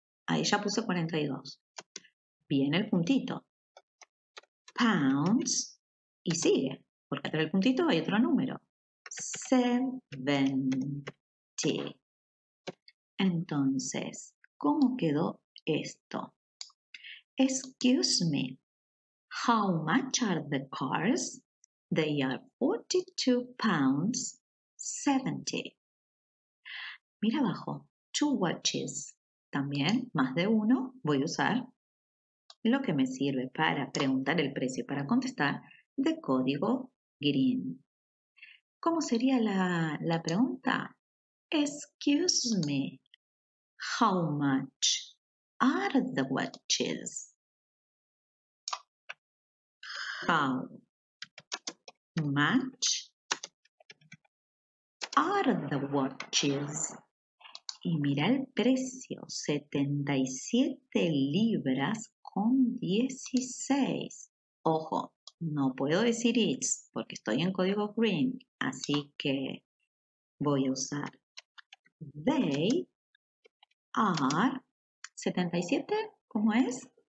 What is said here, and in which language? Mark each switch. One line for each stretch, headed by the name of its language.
Spanish: Ahí ya puse 42. Viene el puntito. Pounds. Y sigue. Porque atrás del puntito hay otro número. 70. Entonces, ¿cómo quedó esto?
English: Excuse me, how much are the cars? They are 42 pounds 70.
Spanish: Mira abajo,
English: two watches.
Spanish: También, más de uno, voy a usar lo que me sirve para preguntar el precio para contestar de código green. ¿Cómo sería la pregunta?
English: Excuse me, how much are the watches? How much are the watches?
Spanish: Y mira el precio, 77 libras con 16. Ojo, no puedo decir it's porque estoy en código green, así que voy a usar
English: they are 77,
Spanish: ¿cómo es?